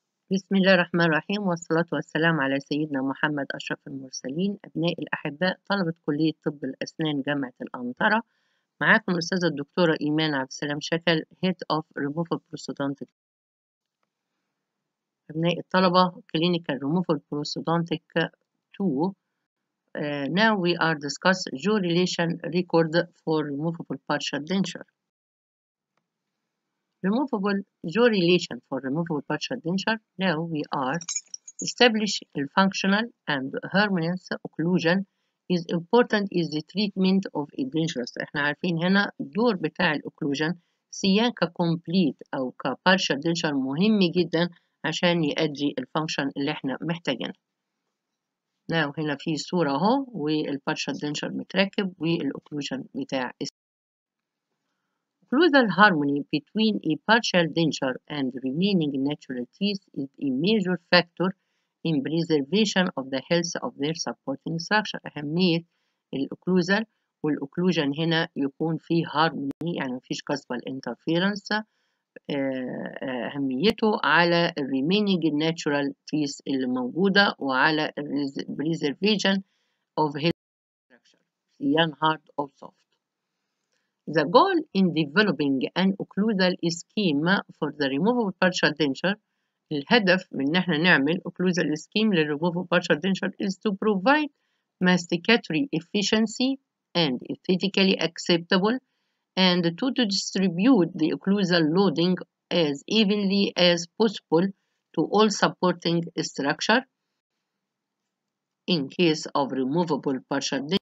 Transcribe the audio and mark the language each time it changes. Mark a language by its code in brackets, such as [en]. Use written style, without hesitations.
[ar] بسم الله الرحمن الرحيم، والصلاة والسلام على سيدنا محمد أشرف المرسلين. أبناء الأحباء، طلبة كلية طب الأسنان جامعة الأنطرة، معاكم الأستاذة الدكتورة إيمان عبد السلام شكل، [en] Head of Removal Prosthodontic. [ar] أبناء الطلبة، [en] Clinical Removal Prosthodontic 2. Now we are discuss Jaw Relation Record for Removable Partial Denture. Removable jaw relation for removable partial denture. Now we are establish the functional and harmonious occlusion is important is the treatment of a dentures. [ar] احنا عارفين هنا دور بتاع الاوكلوجن سواء كcomplete او كpartial denture مهم جدا عشان يأدي الفانكشن اللي احنا محتاجينه. [en] Now [ar] هنا في صورة اهو والpartial denture متركب والاوكلوجن بتاع [en] Occlusal harmony between a partial denture and remaining natural teeth is a major factor in preservation of the health of their supporting structure. [ar] أهمية الأوكلوزال والأوكلوجن هنا يكون في هارموني يعني مفيش قصبة الانترفيرنس أهميته على [en] remaining natural teeth [ar] اللي موجودة وعلى [en] preservation of health structure young hard or soft. The goal in developing an occlusal scheme for the removable partial denture, [ar] الهدف من نحنا نعمل [en] occlusal scheme للremovable partial denture is to provide masticatory efficiency and aesthetically acceptable and to distribute the occlusal loading as evenly as possible to all supporting structure in case of removable partial denture.